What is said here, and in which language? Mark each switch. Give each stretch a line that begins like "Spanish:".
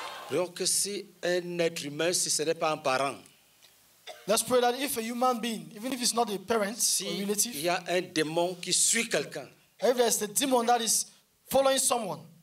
French: Donc que si un être humain, si ce n'est pas un parent.
English: Let's pray that if a human being, even if it's not a parent,
French: si
English: or relative.
French: Il y a un démon qui suit quelqu'un.
English: If there's a demon that is following someone,